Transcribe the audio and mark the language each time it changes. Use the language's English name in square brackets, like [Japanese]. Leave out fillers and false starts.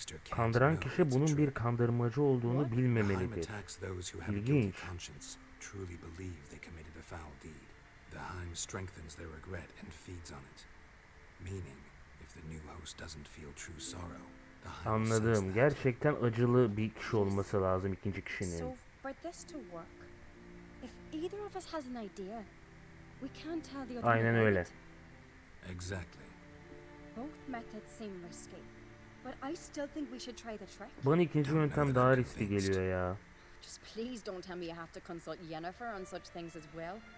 [Turkish] kandıran kişi bunun bir kandırmacı olduğunu bilmemelidir. İlginç. [English] Truly believe they committed a foul deed. The Haim strengthens their regret and feeds on it. Meaning, if the new host doesn't feel true sorrow, the Haim. [Turkish] Anladım. Gerçekten acılı bir kişi olması lazım ikinci kişinin. [English] So for this to work, if either of us has an idea, we can't tell the other. [Turkish] Aynen öyle. [English] Exactly. Both methods seem risky, but I still think we should try the trick. [Turkish] Bana ikinci yöntem daha riskli geliyor ya. [English] Just please don't tell me you have to consult Yennefer on such things as well.